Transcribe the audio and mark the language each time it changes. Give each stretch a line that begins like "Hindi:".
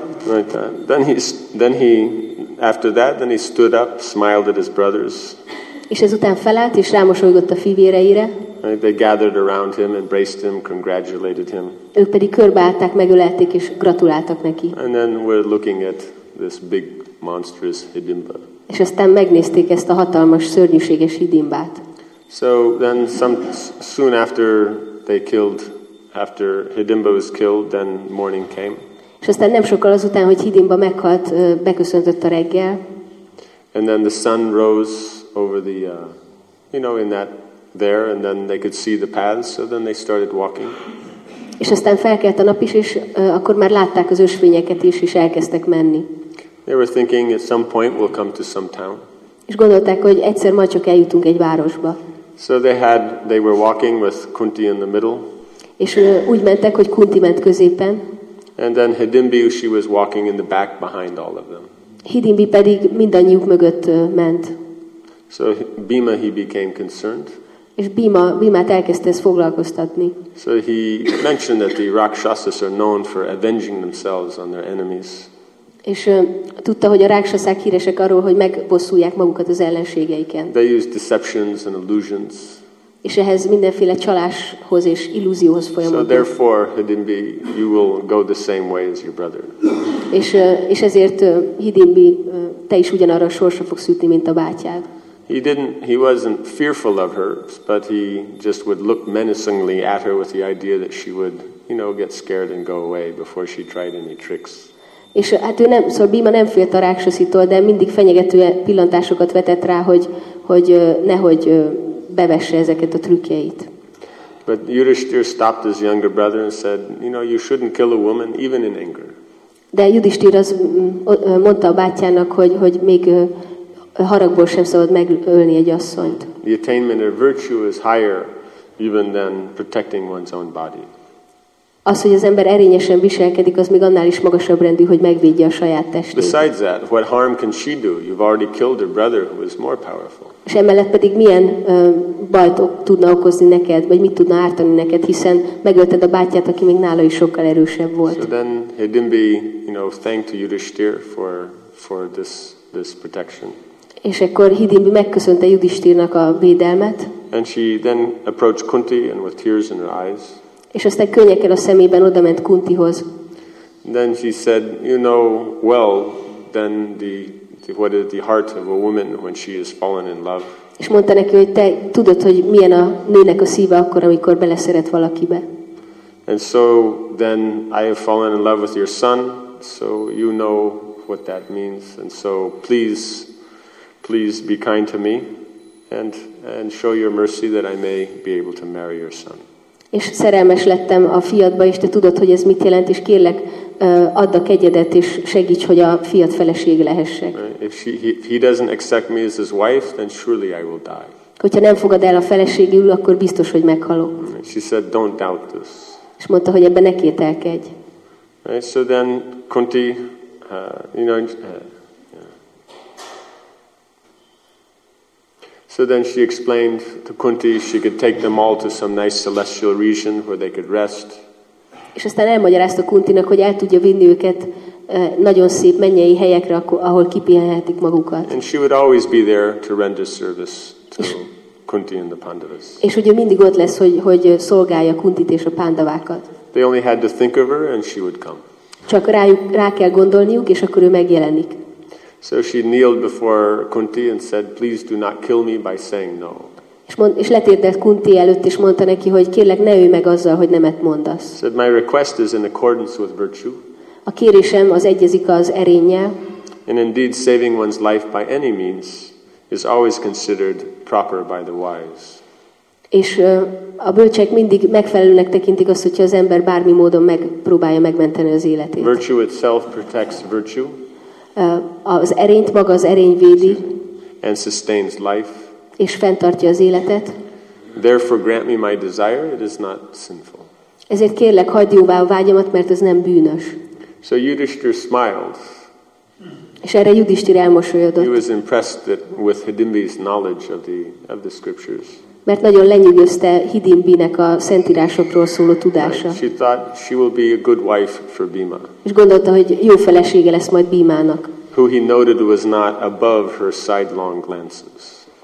English: Right, then he stood up, smiled at his brothers.
Hungarian: És ezután felállt és rámosolygott a fivéreire.
English: Right, they gathered around him, embraced him, congratulated him.
Hungarian: Ők pedig körbeállták, megölelték és gratuláltak neki.
English: And then we're looking at this big monstrous Hidimba.
Hungarian: És aztán megnézték ezt a hatalmas, szörnyűséges Hidimbát.
English: So then soon after they killed, after Hidimba was killed, then morning came.
Hungarian: És aztán nem sokkal azután, hogy Hidimba meghalt, beköszöntött a reggel.
English: And then the sun rose over the, you know, in that there, and then they could see the paths, so then they started walking.
Hungarian: És aztán felkelt a nap is, és akkor már látták az ösvényeket is, és elkezdtek menni.
English: They were thinking at some point we'll come to some town.
Hungarian: És gondolták, hogy egyszer majd csak eljutunk egy városba.
English: So they were walking with Kunti in the middle.
Hungarian: És úgy mentek, hogy Kunti ment középen.
English: And then Hidimbi, she was walking in the back behind all of them.
Hungarian: Hidimbi pedig mindannyiuk mögött ment.
English: So Bhima, he became concerned.
Hungarian: És Bhimát elkezdte ezt foglalkoztatni.
English: So he mentioned that the Rakshasas are known for avenging themselves on their enemies.
Hungarian: És tudta, hogy a rákshaszák híresek arról, hogy megbosszulják magukat az ellenségeiken.
English: They use deceptions and illusions.
Hungarian: És ehhez mindenféle csaláshoz és illúzióhoz folyamodik.
English: So therefore, Hidimbi, you will go the same way as your brother.
Hungarian: És ezért Hidimbi, te is ugyanarra a sorsra fogsz jutni, mint a bátyád.
English: He wasn't fearful of her, but he just would look menacingly at her with the idea that she would, you know, get scared and go away before she tried any tricks.
Hungarian: És hát ő nem, szóval Bhima nem félt a rákshaszitól, de mindig fenyegető pillantásokat vetett rá, hogy nehogy bevesse ezeket a trükkjeit.
English: But Yudhishthir stopped his younger brother and said, you know, you shouldn't kill a woman even in anger.
Hungarian: De Yudhishthir az mondta a bátyának, hogy még haragból sem szabad megölni egy asszonyt.
English: The attainment of virtue is higher even than protecting one's own body.
Hungarian: Az, hogy az ember erényesen viselkedik, az még annál is magasabb rendű, hogy megvédje a saját testét.
English: Besides that, what harm can she do? You've already killed her brother, who is more powerful.
Hungarian: És emellett pedig milyen bajt tudna okozni neked, vagy mit tudna ártani neked, hiszen megölted a bátyját, aki még nála is sokkal erősebb volt.
English: So then Hidimbi, you know, thanked Yudhishthir for this protection.
Hungarian: És akkor Hidimbi megköszönte Yudhishthirnak a védelmet.
English: And she then approached Kunti and with tears in her eyes.
Hungarian: És aztán könnyekkel a szemében odament Kuntihoz.
English: Then she said, you know, well, then what is the heart of a woman when she is fallen in love?
Hungarian: És mondta neki, hogy te tudod, hogy milyen a nőnek a szíve akkor, amikor beleszeret valakibe.
English: And so then I have fallen in love with your son, so you know what that means, and so please be kind to me and show your mercy that I may be able to marry your son.
Hungarian: És szerelmes lettem a fiadba, és te tudod, hogy ez mit jelent, és kérlek, add a kegyedet, és segíts, hogy a fiad feleség lehessek.
English: If he doesn't accept me as his wife, then surely I will die.
Hungarian: Hogyha nem fogad el a feleségül, akkor biztos, hogy meghalok.
English: She said, don't doubt this.
Hungarian: És mondta, hogy ebben ne kételkedj.
English: Right, so then Kunti, you know, So then she explained to Kunti she could take them all to some nice celestial region where they could rest.
Hungarian: És aztán elmagyarázta Kuntinak, hogy el tudja vinni őket nagyon szép mennyei helyekre, ahol kipihenhetik magukat.
English: And she would always be there to render service to Kunti and the Pandavas.
Hungarian: És ugye mindig ott lesz, hogy szolgálja Kuntit és a Pandavákat.
English: They only had to think of her and she would come.
Hungarian: Csak rá kell gondolniuk, és akkor ő megjelenik.
English: So she kneeled before Kunti and said, "Please do not kill me by saying no."
Hungarian: És letérdelt Kunti előtt, és mondta neki, hogy kérlek, ne ülj meg azzal, hogy nemet mondasz.
English: Said, "My request is in accordance with virtue."
Hungarian: A kérésem az egyezik az erénnyel.
English: And indeed, saving one's life by any means is always considered proper by the wise.
Hungarian: És a bölcsek mindig megfelelőnek tekintik azt, hogyha az ember bármi módon megpróbálja megmenteni az életét.
English: Virtue itself protects virtue.
Hungarian: Az erényt maga az erény védi.
English: And sustains life.
Hungarian: És fenntartja az életet.
English: Therefore grant me my desire, it is not sinful.
Hungarian: Ezért kérlek, hagyd jóvá a vágyamat, mert ez nem bűnös.
English: So Yudhishthir smiled.
Hungarian: És erre Yudhishthir elmosolyodott.
English: He was impressed with Hidimbi's knowledge of the scriptures.
Hungarian: Mert nagyon lenyűgözte Hidimbinek a szentírásokról szóló tudása.
English: She thought she will be a good wife for Bhima.
Hungarian: És gondolta, hogy jó felesége lesz majd Bhimának.
English: Who he noted was not above her sidelong glances.